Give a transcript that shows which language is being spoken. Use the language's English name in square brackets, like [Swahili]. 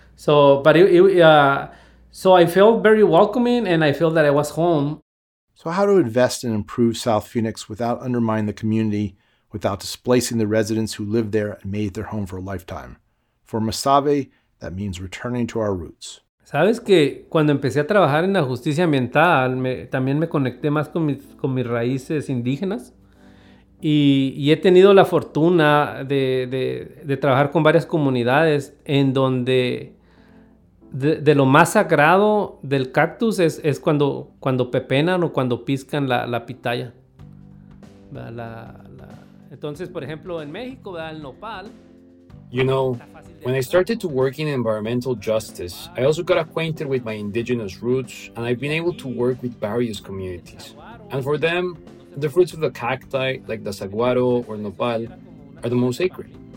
[English] So, but so I felt very welcoming, and I felt that I was home. So how to invest and improve South Phoenix without undermining the community, without displacing the residents who lived there and made their home for a lifetime? For Masave, that means returning to our roots. [Spanish] Sabes que cuando empecé a trabajar en la justicia ambiental, también me conecté más con mis raíces indígenas. Y he tenido la fortuna de trabajar con varias comunidades en donde de lo más sagrado del cactus es cuando pepenan o cuando piscan la pitaya. Entonces, por ejemplo, en México, el nopal. [English] You know, when I started to work in environmental justice, I also got acquainted with my indigenous roots, and I've been able to work with various communities. And for them, the fruits of the cacti, like the saguaro or nopal, are the most sacred.